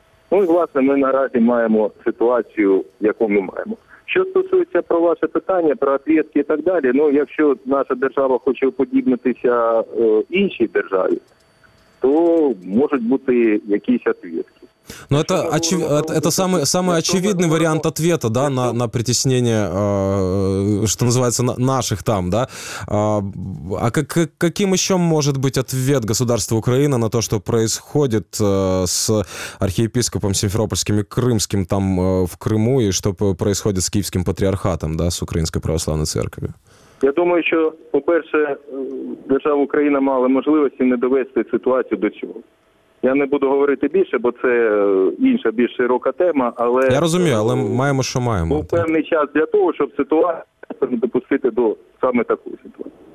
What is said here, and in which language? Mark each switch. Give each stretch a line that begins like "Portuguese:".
Ukrainian: Ну і, власне, ми наразі маємо ситуацію, яку ми маємо. Що стосується про ваше питання, про ответки і так далі, ну, якщо наша держава хоче уподібнитися іншій державі, то можуть бути якісь ответки.
Russian: Ну, это самый очевидный вариант ответа, да, на притеснение, что называется, наших там, да? А каким еще может быть ответ государства Украины на то, что происходит с архиепископом Симферопольским и Крымским там в Крыму, и что происходит с Киевским патриархатом, да, с Украинской Православной Церковью?
Ukrainian: Я думаю, що, по-перше, держава Україна мала можливості не довести ситуацію до цього. Я не буду говорити більше, бо це інша, більш широка тема, але... Я розумію, але маємо, що маємо. Був певний час для того, щоб ситуацію не допустити до саме такої ситуації.